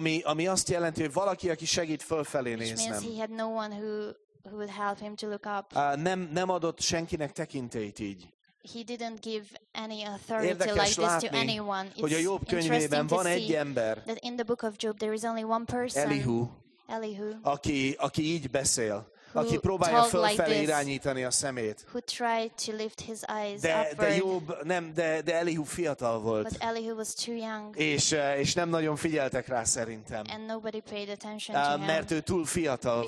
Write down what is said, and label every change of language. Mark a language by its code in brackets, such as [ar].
[hu] Ami azt jelenti, hogy valaki, aki segít fölfelé néznem. [en] Which means he had no one who would help him to look up. [hu] Nem adott senkinek tekintélyt így. [en] He didn't give any authority érdekes like this [hu] látni, [en] to anyone. [hu] It's hogy a Jobb könyvében van egy ember. [en] That in the book of Job there is only one person. [hu] Elihu. Aki így beszél, aki próbálja fölfelé [en] like [hu] irányítani a szemét. [en] Who tried to lift his eyes [hu] de, [en] upward. [hu] De Jobb nem, de Elihu fiatal volt. [en] But Elihu was too young. [hu] És nem nagyon figyeltek rá szerintem. [en] And nobody paid attention to [hu] him. Mert ő túl fiatal volt.